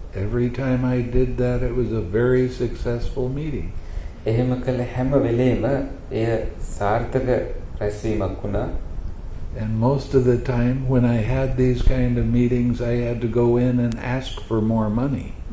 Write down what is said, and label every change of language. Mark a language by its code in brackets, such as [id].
[en] Every time I did that it was a very successful meeting. [si] එහෙම කළ හැම වෙලේම එය සාර්ථක රැස්වීමක් වුණා. [en] And most of the time when I had these kind of meetings I had to go in and ask for more money.